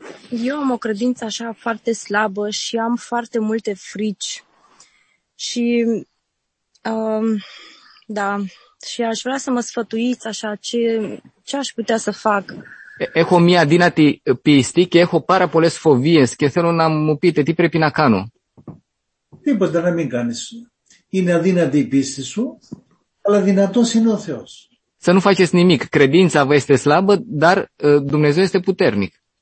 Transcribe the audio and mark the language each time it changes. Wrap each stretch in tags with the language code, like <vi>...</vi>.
<ro>Eu am o credință așa foarte slabă și am foarte multe frici. Și, da... Și aș vrea să mă sfătuiți așa, ce aș putea să fac.</ro> <el>Έχω μία δύνατη πίστη και έχω πάρα πολλές φοβίες και θέλω να μου πείτε τι πρέπει να κάνω. Τίποτα να μην κάνεις. Είναι αδύνατη η πίστη σου, αλλά δυνατός είναι ο Θεός.</el> <ro>Să nu faceți nimic. Credința vă este slabă, dar Dumnezeu este puternic.</ro>